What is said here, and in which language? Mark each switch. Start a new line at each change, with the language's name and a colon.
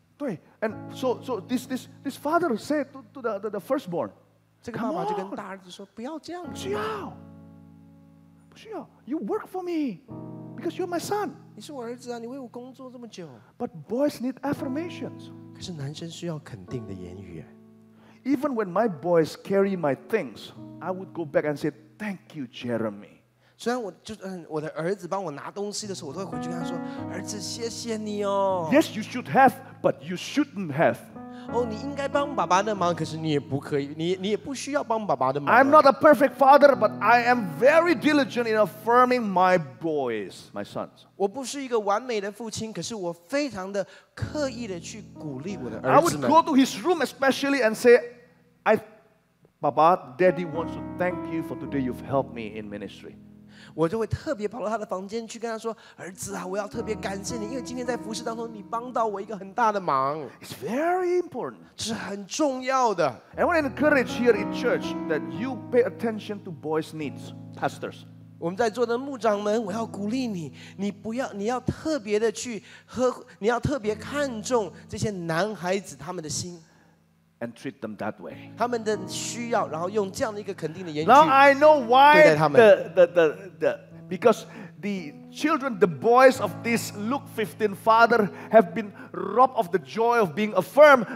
English: 对 ，and so this father said to the firstborn，
Chinese: 这个爸爸就跟大儿子说，不要这样，不需要，不需要
English: ，you work for me because you're my son。
Chinese: 你是我儿子啊，你为我工作这么久。
English: But boys need affirmations。
Chinese: 可是男生需要肯定的言语。
English: Even when my boys carry my things, I would go back and say thank you, Jeremy。
Chinese: 虽然我的儿子帮我拿东西的时候，我都会回去跟他说：“儿子，谢谢你哦。”
English: Yes, you should have, but you shouldn't have.
Chinese: 哦，你应该帮爸爸的忙，可是你也不可以，你也不需要帮爸爸的忙。
English: I'm not a perfect father, but I am very diligent in affirming my boys, my sons.
Chinese: 我不是一个完美的父亲，可是我非常的刻意的去鼓励我的儿子
English: 们。I would go to his room especially and say, I, Papa, Daddy wants to thank you for today. You've helped me in ministry.
Chinese: 我就会特别跑到他的房间去跟他说，儿子啊，我要特别感谢你，因为今天在服事当中你帮到我一个很大的忙。
English: It's very important.
Chinese: 是很重要的。
English: I want to encourage here in church that you pay attention to boys' needs, pastors.
Chinese: 我们在座的牧长们，我要鼓励你，你要特别的去呵护，你要特别看重这些男孩子他们的心。
English: And treat them that way.
Chinese: 他们的需要，然后用这样的一个肯定的言语。
English: Now I know why the because the children, the boys of this Luke 15 father have been robbed of the joy of being affirmed.